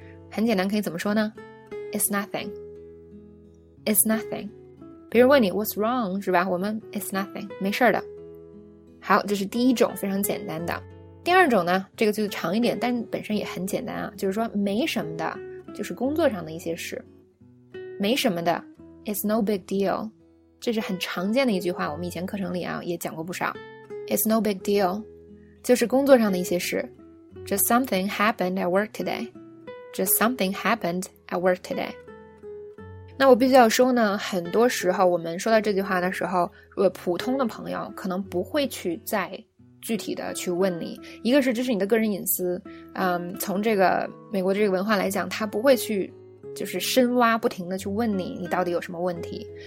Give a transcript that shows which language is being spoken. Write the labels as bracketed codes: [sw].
[zh] 很简单，可以怎么说呢 ？ [en] It's nothing. It's nothing. [zh] 别人问你 [en] what's wrong, [zh] 是吧？我们 [en] it's nothing, [zh] 没事的。好，这是第一种非常简单的。第二种呢，这个就长一点，但本身也很简单啊，就是说没什么的，就是工作上的一些事。没什么的 , [en] it's no big deal. [zh] 这是很常见的一句话，我们以前课程里啊也讲过不少。 [en] It's no big deal. [zh] 就是工作上的一些事。 [en] Just something happened at work today. Just something happened at work today. [zh] 那我必须要说呢，很多时候我们说到这句话的时候，如果普通的朋友可能不会去再具体的去问你，一个是这是你的个人隐私，从这个美国的这个文化来讲，他不会去就是深挖不停的去问你你到底有什么问题。